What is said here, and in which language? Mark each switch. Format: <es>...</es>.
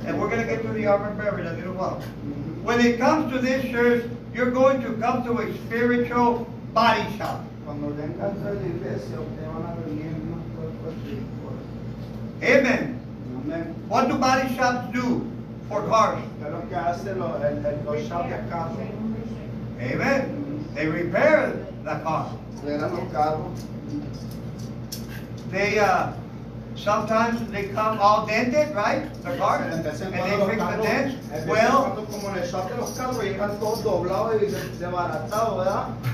<en>And we're going to get to the armored bearer in a little while. When it comes to this church, you're going to come to a spiritual body shop.</en> <es>Cuando vengas a la iglesia, ustedes van a venir en un cuerpo espiritual.</es> <en>Amen. Amen. What do body shops do for cars?</en> <es>¿Qué es lo que hace los shops de carros?</es> <en>Amen. They repair the car.</en> <es>Reparan los carros.</es> <en>They sometimes they come all dented, right? The car, and they fix the dent. Well,</en> <es>como en el shop de los carros llegan todos doblados y desbaratados, ¿verdad?</es>